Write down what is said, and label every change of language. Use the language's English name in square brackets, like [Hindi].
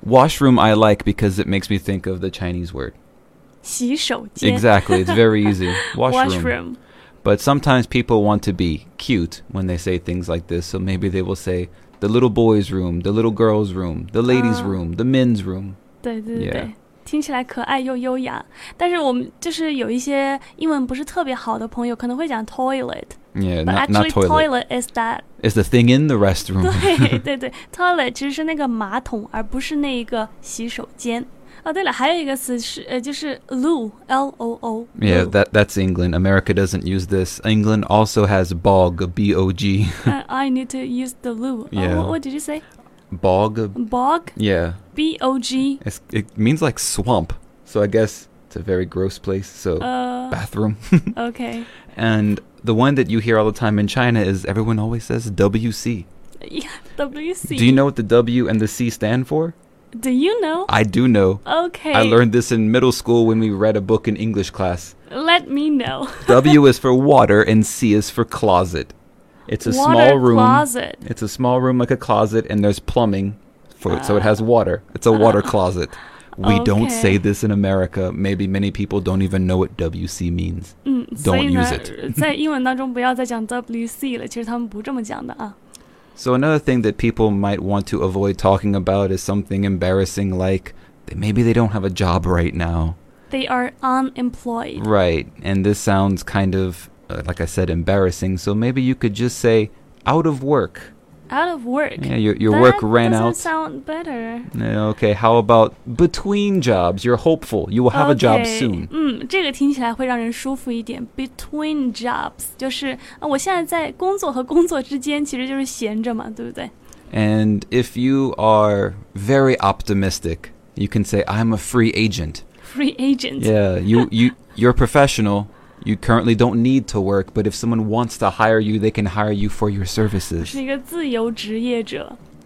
[English] Washroom I like because it makes me think of the Chinese word. [Chinese] 洗手间. [English] Exactly, it's very easy. Washroom. Washroom. But sometimes people want to be cute when they say things like this, so maybe they will say the little boy's room, the little girl's room, the ladies' room, the men's room. 对对对对。Yeah. [Chinese] 听起来可爱又优雅，但是我们就是有一些英文不是特别好的朋友可能会讲 toilet. [English] Yeah, not toilet. Toilet is that. It's the thing in the restroom. [Chinese] 对对对 toilet 其实是那个马桶而不是那一个洗手间。哦对了还有一个词是、就是 loo, L-O-O. [English] Yeah, that's England. America doesn't use this. England also has bog, B-O-G. I need to use the loo.、 Yeah. Oh, what did you say? Bog. Bog? Yeah. B-O-G. It means like swamp. So I guess it's a very gross place. So bathroom. Okay. And the one that you hear all the time in China is everyone always says WC. Yeah, WC. Do you know what the W and the C stand for? Do you know? I do know. Okay. I learned this in middle school when we read a book in English class. Let me know. W is for water and C is for closet. It's a small room. Closet. It's a small room like a closet, and there's plumbing, for it, so it has water. It's a water closet. We、 okay. don't say this in America. Maybe many people don't even know what WC means.、don't use it. [Chinese] 在英文当中不要再讲 WC 了，其实他们不这么讲的啊。 [English] So another thing that people might want to avoid talking about is something embarrassing like maybe they don't have a job right now. They are unemployed. Right, and this sounds kind of... like I said, embarrassing. So maybe you could just say, out of work. Out of work? Yeah, your work ran out. That doesn't sound better. Okay, how about between jobs? You're hopeful. You will have okay, a job soon. [Chinese] 这个听起来会让人舒服一点。 [English] Between jobs. [Chinese] 就是、我现在在工作和工作之间其实就是闲着嘛，对不对？ [English] And if you are very optimistic, you can say, I'm a free agent. Free agent. Yeah, you're a professional. You currently don't need to work, but if someone wants to hire you, they can hire you for your services. [Chinese] 是一个自由职业者。